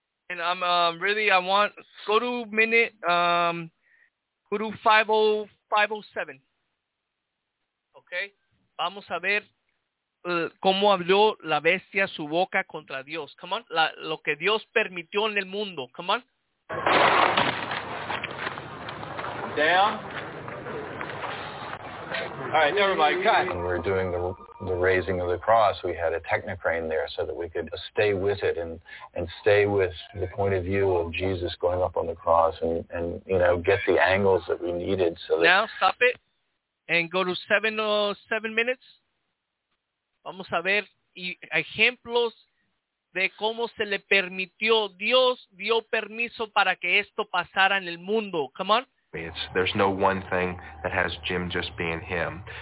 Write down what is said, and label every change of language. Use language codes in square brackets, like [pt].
[en] And I'm really, I want, go to minute, go to 50507. Okay. [es] Vamos a ver cómo habló la bestia su boca contra Dios. [en] Come on. [es] Lo que Dios permitió en el mundo. Come on. [en] Down. Alright, never mind. When we were doing the raising of the cross, we had a technocrane there so that we could stay with it and stay with the point of view of Jesus going up on the cross and you know, get the angles that we needed so that... Now stop it and go to 7 minutes. [es] Vamos a ver ejemplos de cómo se le permitió, Dios dio permiso para que esto pasara en el mundo. [en] Come on. There's no one thing that has Jim just being him.